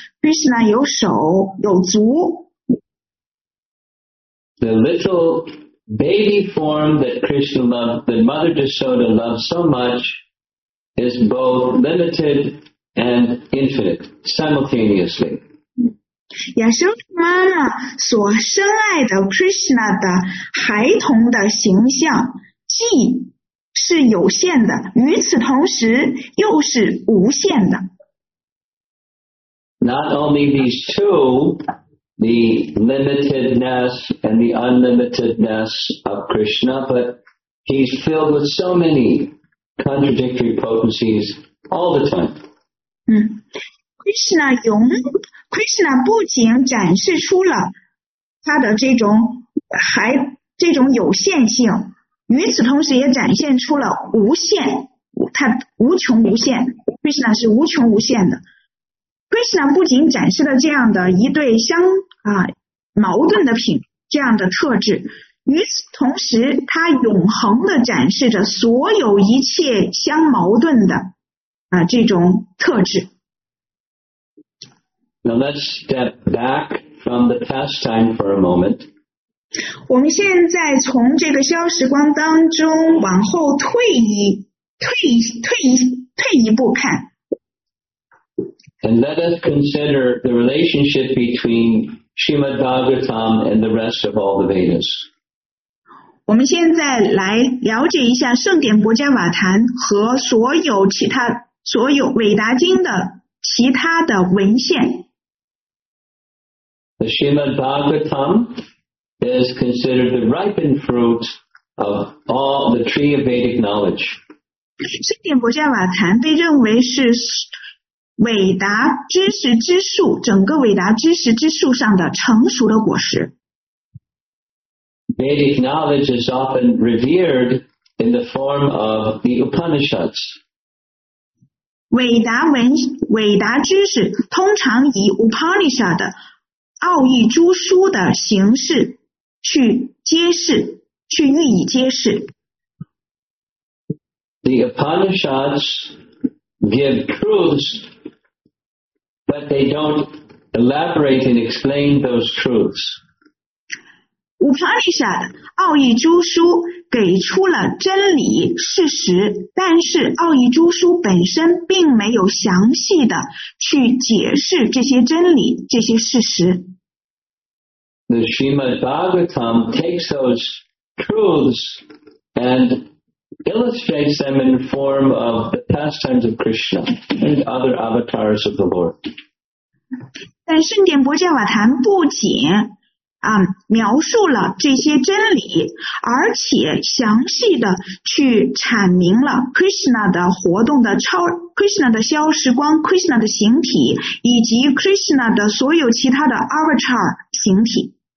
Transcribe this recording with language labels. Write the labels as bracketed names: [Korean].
[Chinese] Krishna 有手有足。 [English] The little baby form that Krishna loved, that Mother Yashoda loved so much, is both limited and infinite simultaneously. [Chinese] 亚修拉妈妈所深爱的 Krishna 的孩童的形象既是有限的，与此同时又是无限的。 [English] Not only these two, the limitedness and the unlimitedness of Krishna, but he's filled with so many contradictory potencies all the time. [Chinese] Krishna 不仅展示出了他的这种有限性，与此同时也展现出了无限，他无穷无限。 Krishna 是无穷无限的。 Krishna 不仅展示了这样的一对矛盾的品，这样的特质，与此同时他永恒的展示着所有一切相矛盾的这种特质。 [English] Now let's step back from the pastime for a moment. [Chinese] 我们现在从这个消时光当中往后退一步看。 [English] And let us consider the relationship between Srimad Bhagavatam and the rest of all the Vedas. [Chinese] 我们现在来了解一下圣典薄伽瓦坛和所有韦达经的其他的文献。 [English] The Srimad Bhagavatam is considered the ripened fruit of all the tree of Vedic knowledge. [Chinese] 圣典薄伽瓦坛被认为是伟达知识之树，整个伟达知识之树上的成熟的果实。 [English] Vedic knowledge is often revered in the form of the Upanishads. [Chinese] 伟达知识通常以 Upanishad 的奥义诸书的形式去揭示，去予以揭示。 [English] The Upanishads give truths, but they don't elaborate and explain those truths. [Chinese] Upanishad 奥义诸书给出了真理事实，但是奥义诸书本身并没有详细的去解释这些真理，这些事实。 [English] The Srimad Bhagavatam takes those truths and illustrates them in the form of the pastimes of Krishna and other avatars of the Lord. [Chinese] 但圣典薄伽瓦坛不仅描述了这些真理，而且详细的去阐明了 Krishna 的活动的超 Krishna 的消时光， Krishna 的形体，以及 Krishna 的所有其他的 avatar 形体。